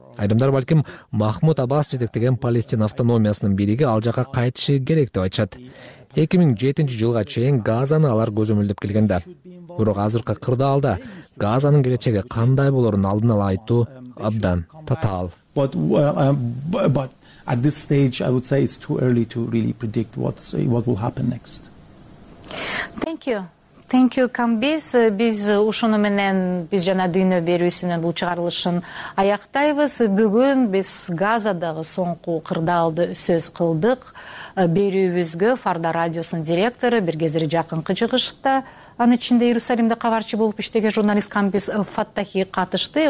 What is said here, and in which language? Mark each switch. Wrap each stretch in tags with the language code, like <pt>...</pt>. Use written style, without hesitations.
<ky>Айрымдар балким Махмуд Аббас жетектеген Палестина автономиясынын бириги ал жака кайтышы керек деп айтышат. 2007 жылга чейин Газаны алар көзөмөлдөп келгенде. Бирок азыркы кырдаалда Газанын келечеги кандай болорун алдын ала айтуу абдан татаал.</ky> <en>But at this stage I would say it's too early to really predict what will happen next. Thank you. Thank you, Камбиз.</en> <ky>Биз ушуну менен биз жана дүйнө берүүсүнүн бул чыгарылышын аяктайбыз. Бүгүн биз Газадагы соңку кырдаалды сөз кылдык. Берүүбүзгө Фарда радиосунун директору, бир кездери жакынкы чыгышта, анын ичинде Иерусалимде кабарчы болуп иштеген журналист Камбиз Фаттахи катышты.</ky>